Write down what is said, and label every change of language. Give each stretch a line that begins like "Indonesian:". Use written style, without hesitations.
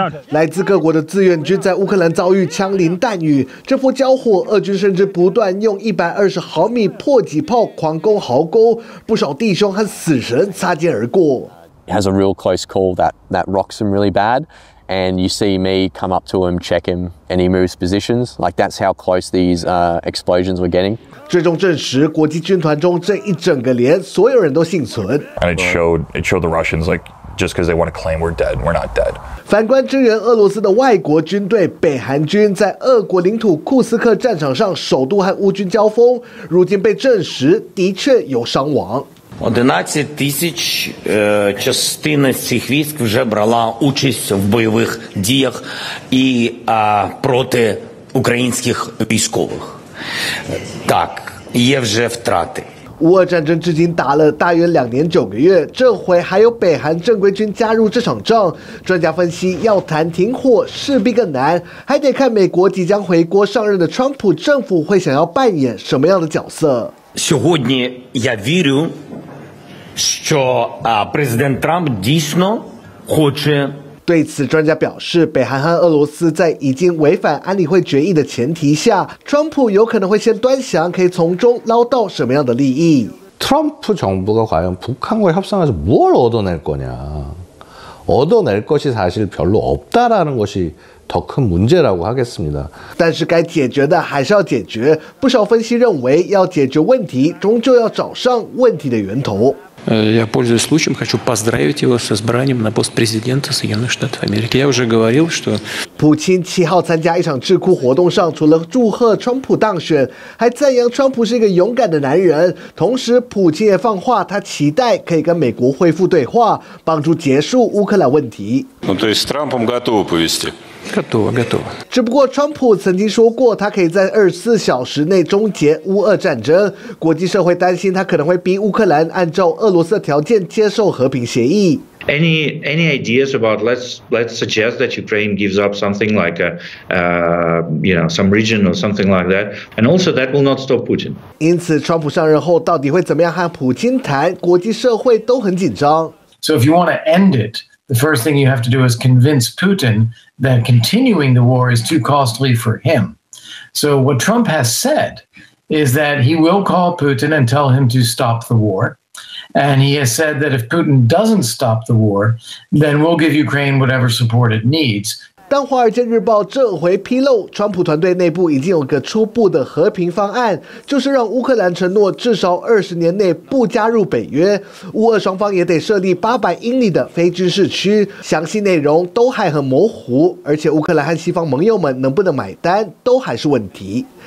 Chinese: 来自各国的志愿军在乌克兰遭遇枪林弹雨，这波交火，俄军甚至不断用120毫米迫击炮狂攻壕沟，不少弟兄和死神擦肩而过。
English: It has a real close call that rocks him really bad, and you see me come up to him, check him, and he moves positions. Like that's how close these explosions were getting.
Chinese: 最终证实，国际军团中这一整个连所有人都幸存。
English: And it showed the Russians like. Just because they want to claim we're dead, we're not dead.
Chinese: 反观支援俄罗斯的外国军队北韩军，在俄国领土库斯克战场上首度和乌军交锋，如今被证实的确有伤亡。
Ukrainian: 12000частина цих військ вже брала участь в бойових діях і проти українських військових. Так, є вже втрати.
Chinese: 乌俄战争至今打了大约2年9个月，这回还有北韩正规军加入这场仗。专家分析，要谈停火势必更难，还得看美国即将回国上任的川普政府会想要扮演什么样的角色。
Ukrainian: Сьогодні я вірю, що президент Трамп дійсно хоче。
Chinese: 对此，专家表示，北韩和俄罗斯在已经违反安理会决议的前提下，川普有可能会先端详，可以从中捞到什么样的利益。
Korean: Trump 정부가과연북한과의협상에서뭘얻어낼거냐얻어낼것이사실별로없다라는것이더큰문제라고하겠습니다
Chinese: 但是该解决的还是要解决，不少分析认为，要解决问题，终究要找上问题的源头。
Russian: Я пользуюсь случаем, хочу поздравить его с избранием на пост президента Соединенных Штатов Америки. Я уже говорил, что
Chinese: 普京7号参加一场智库活动上，除了祝贺川普当选，还赞扬川普是一个勇敢的男人。同时，普京也放话，他期待可以跟美国恢复对话，帮助结束乌克兰问题。
Russian: Ну то есть с Трампом готовы повести。 Готово.
Chinese: 只不过川普曾经说过，他可以在24小时内终结乌俄战争。国际社会担心他可能会逼乌克兰按照俄罗斯的条件接受和平协议。
English: Any ideas about let's suggest that Ukraine gives up something like a you know some region or something like that, and also that will not stop Putin.
Chinese: 因此，川普上任后到底会怎么样和普京谈，国际社会都很紧张。
English: So if you want to end it. The first thing you have to do is convince Putin that continuing the war is too costly for him. So what Trump has said is that he will call Putin and tell him to stop the war. And he has said that if Putin doesn't stop the war, then we'll give Ukraine whatever support it needs.
Chinese: 但《华尔街日报》这回披露，川普团队内部已经有个初步的和平方案，就是让乌克兰承诺至少20年内不加入北约，乌俄双方也得设立800英里的非军事区。详细内容都还很模糊，而且乌克兰和西方盟友们能不能买单，都还是问题。